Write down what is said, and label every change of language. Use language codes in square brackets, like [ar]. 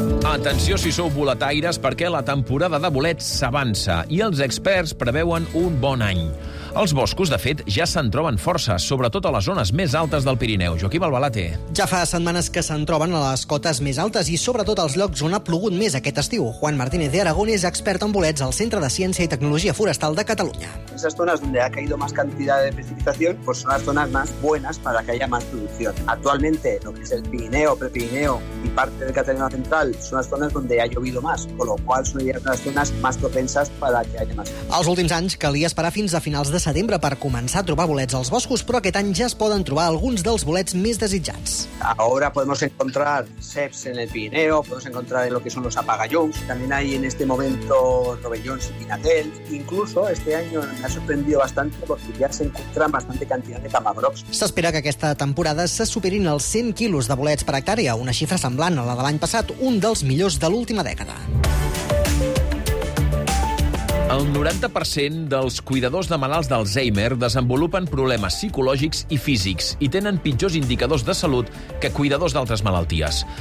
[ca] Atenció si sou boletaires, perquè la temporada de bolets s'avança i els experts preveuen un bon any. Els boscos, de fet, ja se'n troben força, sobretot a les zones més altes del Pirineu. Joaquim Albalate. Ja fa setmanes que se'n troben a les cotes més altes i sobretot als llocs on ha plogut més aquest estiu. Juan Martínez de Aragón és expert en bolets al Centre de Ciència i Tecnologia Forestal de Catalunya. [es] Esas zonas donde ha caído más cantidad de precipitación, pues son las zonas más buenas para que haya más producción. Actualmente, lo que es el Pirineo, Prepirineo y parte del Cataluña Central son las zonas donde ha llovido más, con lo cual son las zonas más propensas para que haya más. [ca] Els últims anys calia esperar fins a finals de setembre per començar a trobar bolets als boscos, però aquest any ja es poden trobar alguns dels bolets més desitjats. [es] Ahora podemos encontrar ceps en el Pirineo, podemos encontrar en lo que son los apagallons, también hay en este momento robellons y pinatel. Incluso este año me ha sorprendido bastante porque ya se encuentran bastante cantidad de tamabrocs. [ca] S'espera que aquesta temporada se superin els 100 quilos de bolets per hectàrea, una xifra semblant a la de l'any passat, un dels millors de l'última dècada. El 90% dels cuidadors de malalts d'Alzheimer desenvolupen problemes psicològics i físics i tenen pitjors indicadors de salut que cuidadors d'altres malalties.